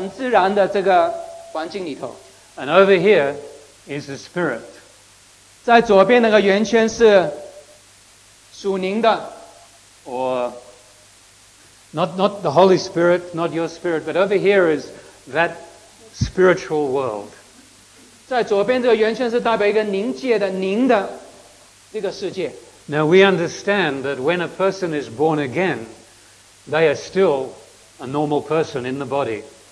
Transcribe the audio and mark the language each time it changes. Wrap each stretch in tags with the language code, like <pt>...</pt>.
<zh>我们讲到这个自然就是这个是被创造的，就是你出生在这个很自然的这个环境里头。</zh> <en>And over here is the spirit.</en> <zh>在左边那个圆圈是属灵的。</zh> <en>Or not the Holy Spirit, not your spirit, but over here is that spiritual world.</en> <zh>在左边这个圆圈是代表一个灵界的灵的这个世界。</zh> <en>Now we understand that when a person is born again, they are still a normal person in the body.</en>